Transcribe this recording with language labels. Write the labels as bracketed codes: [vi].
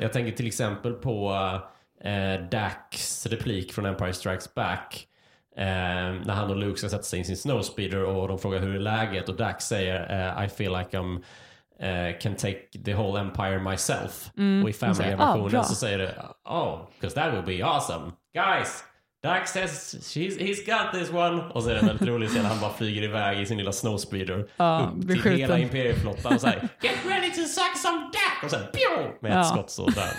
[sv] Jag tänker till exempel på Dax replik från Empire Strikes Back. När han och Luke ska sätta sig in sin snowspeeder och de frågar hur är läget, och Dax säger [en] I feel like I'm can take the whole empire myself. [sv] Och i family-versionen så säger det, [en] oh, because that would be awesome. Guys, Dax says he's got this one. [sv] Och så är det en väldigt rolig scen, han bara flyger iväg i sin lilla snowspeeder upp till hela imperieflottan och säger [en] get ready to suck some dick, [sv] och sen pew, med ett skott sådär.